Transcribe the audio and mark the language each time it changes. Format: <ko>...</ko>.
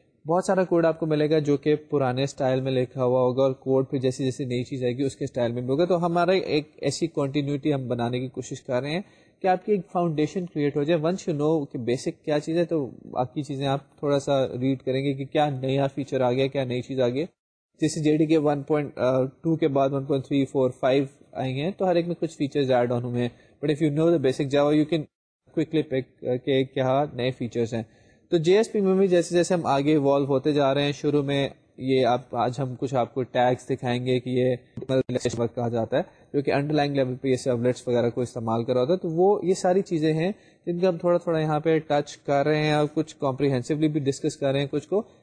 <ur>بہت سارا کوڈ آپ کو ملے گا جو کہ پرانے اسٹائل میں لکھا ہوا ہوگا, اور کوڈ پھر جیسے جیسے نئی چیز آئے گی اس کے اسٹائل میں بھی ہوگا. تو ہمارا ایک ایسی کنٹینیوٹی ہم بنانے کی کوشش کر رہے ہیں کہ آپ کی ایک فاؤنڈیشن کریٹ ہو جائے.</ur> <en>once you know</en> <ur>کہ بیسک کیا چیز ہے تو باقی چیزیں آپ تھوڑا سا ریڈ کریں گے کہ کیا نیا فیچر آ گیا, کیا نئی چیز آ گیا. جیسے جے ڈی کے 1.2 کے بعد 1.3, 4, 5 آئی ہیں, تو ہر ایک میں کچھ فیچرز ایڈ آن ہوئے ہیں.</ur> <en>but if you know the basic Java you can quickly pick</en> <ur>کہ کیا نئے فیچرز ہیں. تو جے ایس پی میں بھی جیسے جیسے ہم آگے ایوالو ہوتے جا رہے ہیں, شروع میں یہ آپ آج ہم کچھ آپ کو ٹیگس دکھائیں گے کہ یہ وقت کہا جاتا ہے جو کہ انڈر لائن لیول پہ یہ سرولیٹس وغیرہ کو استعمال کر رہا ہوتا ہے, تو وہ یہ ساری چیزیں ہیں جن کا ہم تھوڑا تھوڑا یہاں پہ ٹچ کر رہے ہیں اور کچھ کمپریہنسولی بھی ڈسکس کر رہے ہیں کچھ کو.</ur>